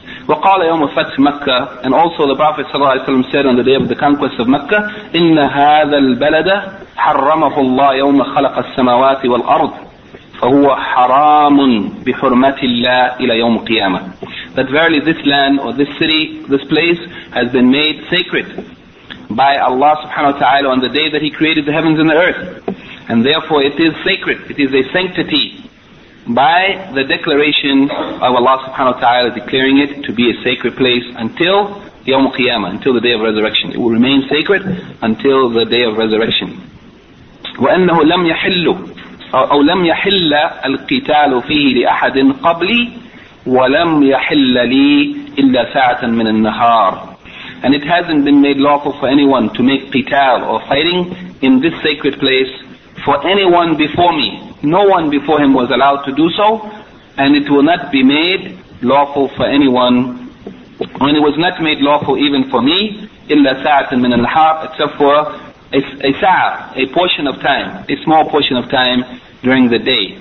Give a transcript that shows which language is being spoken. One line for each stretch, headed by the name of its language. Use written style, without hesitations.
Arabic: وَقَالَ يَوْمَ فَتْحِ مَكَّةِ
English: And also the Prophet ﷺ said on the day of the conquest of Mecca,
Arabic: إِنَّ هَذَا الْبَلَدَ حَرَّمَهُ اللَّهِ يَوْمَ خَلَقَ السَّمَوَاتِ وَالْأَرْضِ فَهُوَ حَرَامٌ بِحُرْمَةِ اللَّهِ إِلَى يَوْمِ الْقِيَامَةِ
English: That verily this land or this city, this place has been made sacred by Allah subhanahu wa ta'ala on the day that He created the heavens and the earth. And therefore it is sacred, it is a sanctity by the declaration of Allah subhanahu wa ta'ala declaring it to be a sacred place until
Arabic: يَوْمُ الْقِيَامَةِ
English: until the day of resurrection. It will remain sacred until the day of resurrection.
Arabic: وَأَنَّهُ لَمْ يَحِلُّ أو لم يحل القتال فيه لأحد قبلي ولم يحل لي إلا ساعة من النهار.
English: And it hasn't been made lawful for anyone to make qital or fighting in this sacred place for anyone before me. No one before him was allowed to do so, and it will not be made lawful for anyone, and it was not made lawful even for me,
Arabic: إلا ساعة من الحرب,
English: except for a ساعة, a portion of time, a small portion of time during the day.